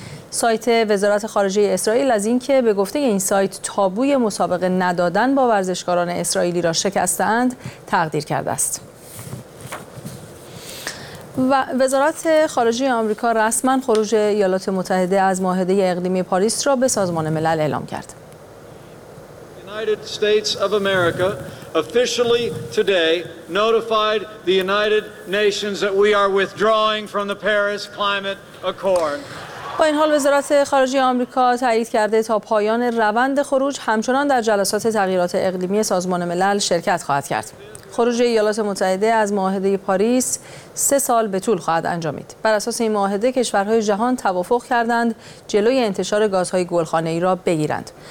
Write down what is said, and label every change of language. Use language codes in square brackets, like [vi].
[fa] سایت وزارت خارجه اسرائیل از اینکه به گفته این سایت تابوی مسابقه ندادن با ورزشکاران اسرائیلی را شکستند تقدیر کرده است. و وزارت خارجه آمریکا رسما خروج ایالات متحده از معاهده اقلیمی پاریس را به سازمان ملل اعلام کرد. [en] United States of America officially today notified the United Nations that we are withdrawing from the Paris Climate Accord. [fa] با این حال وزارت خارجه آمریکا تایید کرده تا پایان روند خروج همچنان در جلسات تغییرات اقلیمی سازمان ملل شرکت خواهد کرد. خروج ایالات متحده از معاهده پاریس 3 سال به طول خواهد انجامید. بر اساس این معاهده کشورهای جهان توافق کردند جلوی انتشار گازهای گلخانه‌ای را بگیرند.